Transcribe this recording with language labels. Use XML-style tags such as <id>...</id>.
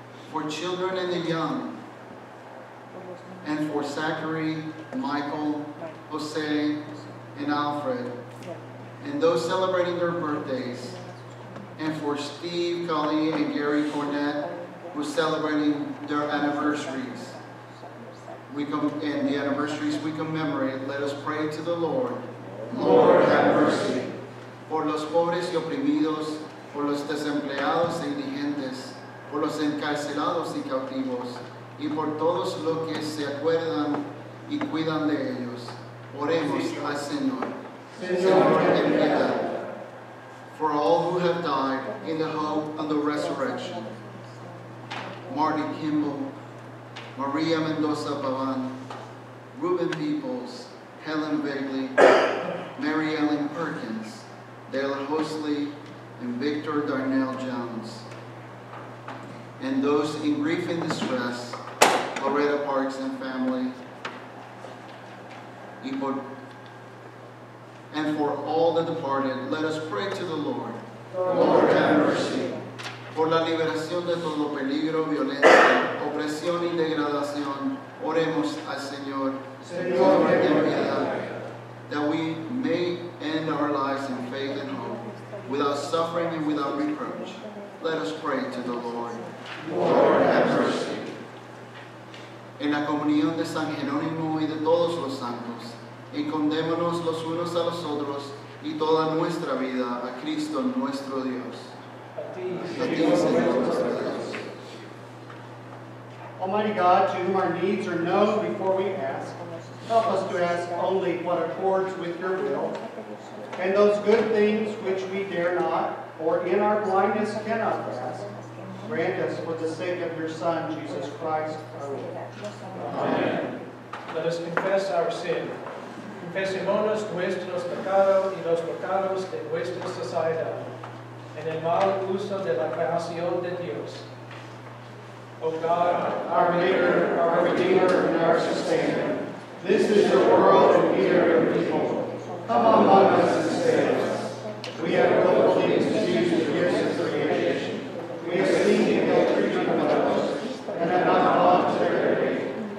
<en>For children and the young, and for Zachary, Michael, Jose, and Alfred, and those celebrating their birthdays, and for Steve, Colleen, and Gary Cornett, who's celebrating their anniversaries. We commemorate, let us pray to the Lord. Lord, have mercy.</en> <es>Por los pobres y oprimidos, por los desempleados e indigentes, por los encarcelados y cautivos, y por todos los que se acuerdan y cuidan de ellos, oremos al Señor. Señor, ten piedad.</es> <en>For all who have died in the hope of the resurrection, Marty Kimball, Maria Mendoza Pavan, Ruben Peoples, Helen Bigley, Mary Ellen Perkins, Dale Hosley, and Victor Darnell Jones, and those in grief and distress, Loretta Parks and family, and for all the departed, let us pray to the Lord. Lord, have mercy.</en> <es>Por la liberación de todo peligro, violencia, opresión y degradación, oremos al Señor. Señor, ten piedad.</es> <en>That we may end our lives in faith and hope, without suffering and without reproach. Let us pray to the Lord. Lord, have mercy.</en> <es>En la comunión de San Jerónimo y de todos los santos, encomendémonos los unos a los otros y toda nuestra vida a Cristo nuestro Dios. A ti, Señor nuestro Dios.</es> <en>Almighty God, to whom our needs are known before we ask, help us to ask only what accords with your will, and those good things which we dare not or in our blindness cannot ask, grant us for the sake of your Son, Jesus Christ, our Lord. Amen. Let us confess our sin.</en> <es>Confessemos nuestros pecados y los pecados de nuestra sociedad, en el mal uso de la creación de Dios.</es> <en>O God, our Maker, our Redeemer, and our Sustainer, this is your world and we are your people. Come among us and save us. We have willfully misused the gifts of creation. We have seen the ill-treatment of others, and have not voluntarily.</en>